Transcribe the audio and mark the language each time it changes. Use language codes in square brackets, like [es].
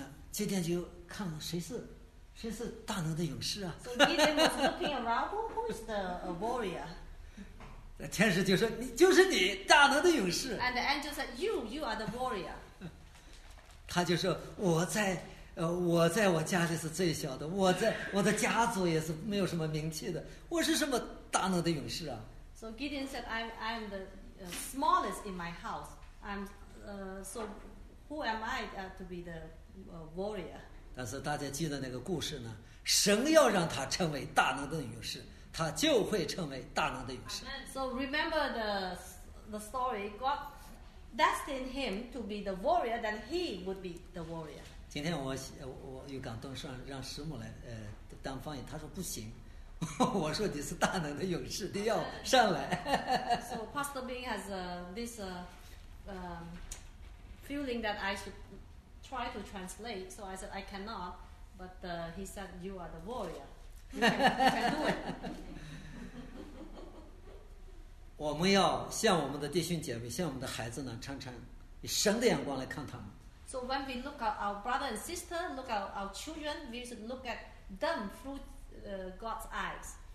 [zh] 祭奠就看谁是大能的勇士啊。 [en] So Gideon was looking around, who is the warrior? [zh] 天使就说你就是你大能的勇士。 [en] And the angel said, you are the warrior. [zh] 他就说我在我家里是最小的，我的家族也是没有什么名气的，我是什么大能的勇士啊。 [en] So Gideon said, I'm the smallest in my house. I'm so who am I to be the warrior? [zh] 但是大家记得那个故事呢，神要让他成为大能的勇士，他就会成为大能的勇士。 [en] So remember the story. God destined him to be the warrior, then he would be the warrior. [zh] 今天我有感动，说让师母来当翻译。他说不行，我说你是大能的勇士，你要上来。 [en] So Pastor Bing has this feeling that I should try to translate. So I said I cannot, but he said you are the warrior. [zh] 我们要向我们的弟兄姐妹，向我们的孩子呢，常常以神的眼光来看他们。 [en] So when we look at our brother and sister, look at our children, we should look at them through God's eyes.